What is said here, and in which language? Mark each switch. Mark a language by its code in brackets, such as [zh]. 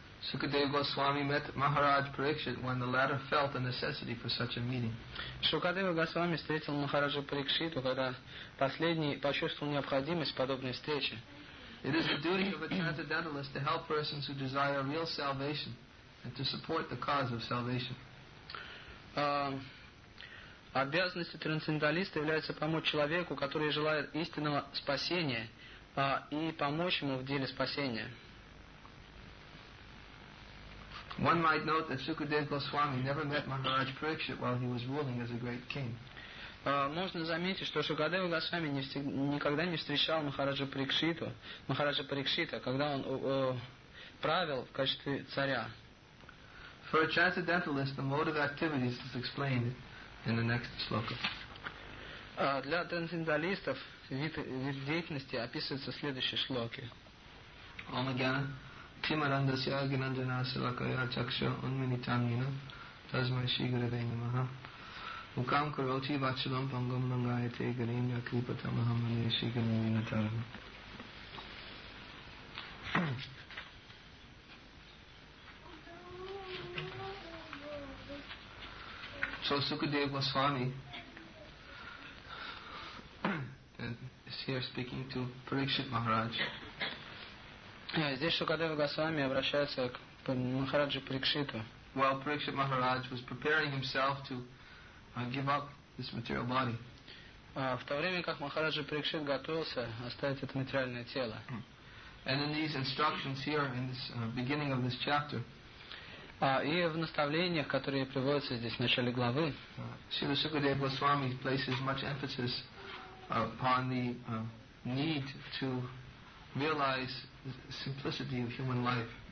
[en] Sukadeva Goswami met Maharaj Parikshit when the latter felt the necessity for such a meeting. [ru] Sukadeva Goswami встретил Махараджа Парикшиту, когда последний почувствовал необходимость подобной встречи. [en] It is the duty of a transcendentalist to help persons who desire real salvation and to support the cause of salvation. [ru] Обязанностью трансценденталиста является помочь человеку, который желает истинного спасения, и помочь ему в деле спасения. [en] One might note that Sukadeva Goswami never met Maharaj Parikshit while he was ruling as a great king. [ru] Можно заметить, что Сукадева Госвами никогда не встречал Махараджа Парикшита, когда он правил в качестве царя. [en] For a transcendentalist, the mode of activities is explained in the next sloka. [ru] Для трансценденталистов вид деятельности описывается в следующей шлоке. [sa] Ом агьяна тимарандасья агьянанджана севакая чакшо унминитамьяна тасмай шри гураве намаха. Ukam karoti vachalam pangam mangayate garinya kripatamaham aneshi ganamina tarama. [en] So Sukadeva Goswami is here speaking to Parikshit Maharaj. [ru] Здесь Сукадева Госвами обращается к Махараджу Парикшиту. [en] While Parikshit Maharaj was preparing himself to give up this material body. [ru] В то время как Махараджа Парикшит готовился оставить это материальное тело. [en] And in these instructions here in this beginning of this chapter. [ru] И в наставлениях, которые приводятся здесь в начале главы. [en] Śrīla Śukadeva Goswami places much emphasis upon the need to realize the simplicity of human life.